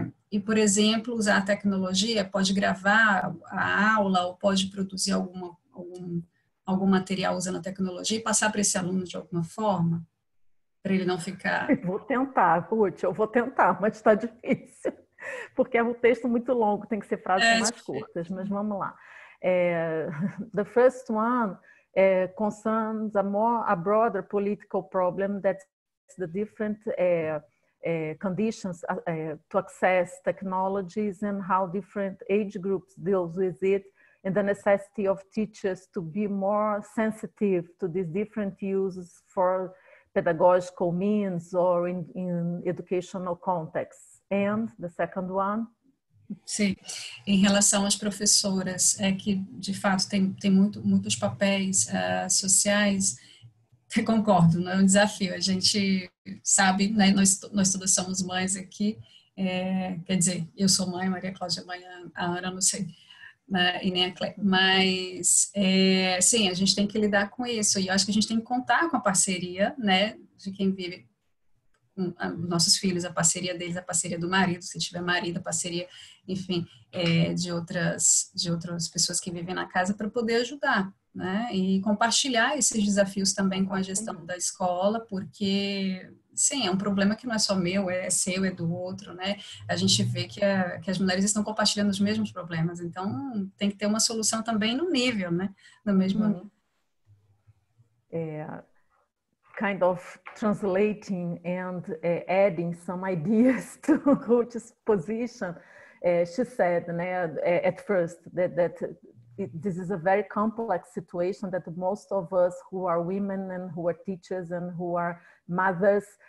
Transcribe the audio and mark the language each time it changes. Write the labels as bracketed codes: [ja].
[pt] e, por exemplo, usar a tecnologia, pode gravar a aula ou pode produzir algum material usando a tecnologia e passar para esse aluno de alguma forma, para ele não ficar... Eu vou tentar, mas está difícil, porque é um texto muito longo, tem que ser frases mais curtas, mas vamos lá. [en] The first one concerns a more a broader political problem that's the different conditions to access technologies and how different age groups deals with it and the necessity of teachers to be more sensitive to these different uses for pedagogical means or in educational contexts. And the second one. [pt] Sim, em relação às professoras, é que de fato tem muitos papéis sociais, eu concordo, não é um desafio, a gente sabe, né, nós todas somos mães aqui, quer dizer, eu sou mãe, Maria Cláudia mãe, a Ana não sei, e nem a Clé, mas sim, a gente tem que lidar com isso, e eu acho que a gente tem que contar com a parceria, né, de quem vive nossos filhos, a parceria deles, a parceria do marido, se tiver marido, a parceria, enfim, de outras pessoas que vivem na casa para poder ajudar, né? E compartilhar esses desafios também com a gestão da escola, porque, sim, é um problema que não é só meu, é seu, é do outro, né? A gente vê que as mulheres estão compartilhando os mesmos problemas, então tem que ter uma solução também no nível, né? No mesmo nível. [en] Kind of translating and adding some ideas to Rute's position, she said, at first, that this is a very complex situation that most of us who are women and who are teachers and who are mothers